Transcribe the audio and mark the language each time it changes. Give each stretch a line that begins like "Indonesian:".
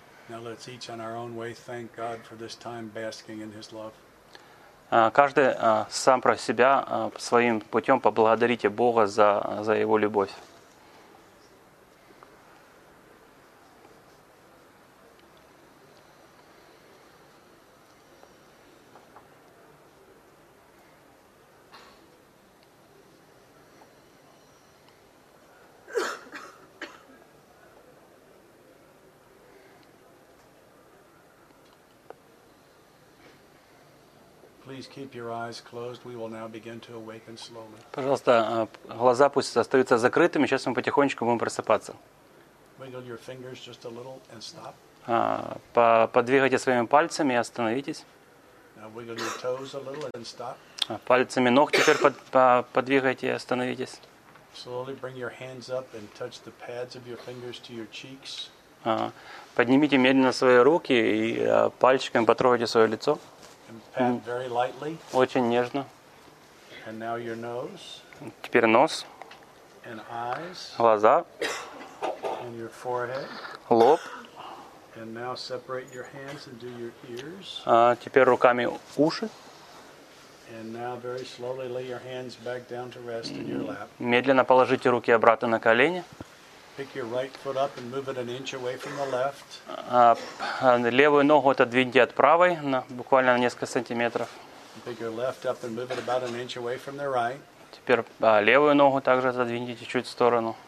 English: Now let's each on our own way thank God for this time basking in His love.
Russian: Каждый сам про себя своим путем поблагодарите Бога за Его любовь.
English: Please keep your eyes closed. We will now begin to awaken slowly.
Russian: Пожалуйста, глаза пусть остаются закрытыми. Сейчас мы потихонечку будем просыпаться.
English: Wiggle your fingers just a little and stop.
Russian: Подвигайте своими пальцами и остановитесь.
English: Now wiggle your toes a little and stop.
Russian: Пальцами ног теперь подвигайте и остановитесь.
English: Slowly bring your hands up and touch the pads of your fingers to your cheeks.
Russian: Поднимите медленно свои руки и пальчиками потрогайте свое лицо.
English: Pat very lightly.
Russian: Очень нежно.
English: And now your nose.
Russian: Теперь нос.
English: And eyes.
Russian: Глаза.
English: And your forehead.
Russian: Лоб.
English: And now separate your hands and do your ears.
Russian: Теперь руками уши.
English: And now very slowly lay your hands back down to rest in your lap.
Russian: Медленно положите руки обратно на колени.
English: Pick your right foot up and move it an inch away from the left.
Russian: Левую ногу отодвиньте от правой, буквально на несколько сантиметров.
English: Pick your left up and move it about an inch away from the right.
Russian: Теперь левую ногу также отодвиньте чуть-чуть в сторону.